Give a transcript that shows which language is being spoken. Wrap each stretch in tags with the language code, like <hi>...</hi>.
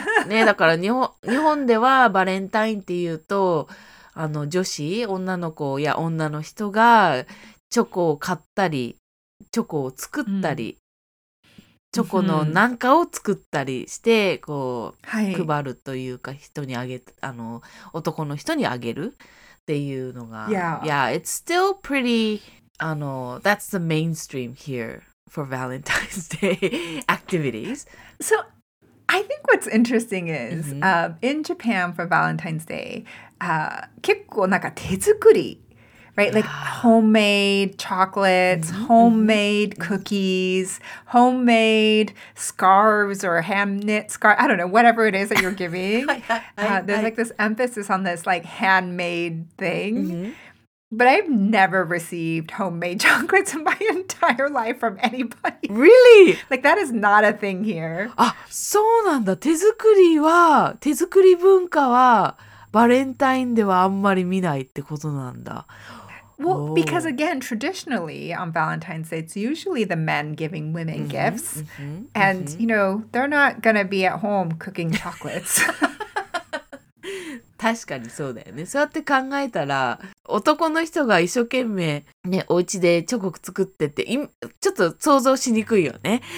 <ja>ね、だから日本ではバレンタインっていうと、あの女子、女の子や女の人がチョコを買ったり、チョコを作ったり、うん、チョコのなんかを作ったりしてこう、はい、配るというか人にあげ、あの男の人にあげる。 Yeah,</ja> <en>it's still pretty, that's the mainstream here for Valentine's Day activities. So I think what's interesting is、mm-hmm. In Japan for Valentine's Day,</en> <ja>結構なんか手作り,</ja> <en>right? Like、yeah. homemade chocolates,、mm-hmm. homemade cookies, homemade scarves or hand-knit scarves. I don't know, whatever it is that you're giving. there's this emphasis on this like handmade thing.、 Mm-hmm. But I've never received homemade chocolates in my entire life from anybody. Really? Like that is not a thing here.</en> <ja>Ah, そうなんだ。手作り文化はバレンタインではあんまり見ないってことなんだ。</ja> <en>Well, because again, traditionally on Valentine's Day, it's usually the men giving women mm-hmm, gifts. Mm-hmm, and, mm-hmm. you know, they're not going to be at home cooking chocolates.</en> <ja>確かにそうだよね。そうやって考えたら、男の人が一生懸命、ね、お家でチョコ作ってて、ちょっと想像しにくいよね。</ja>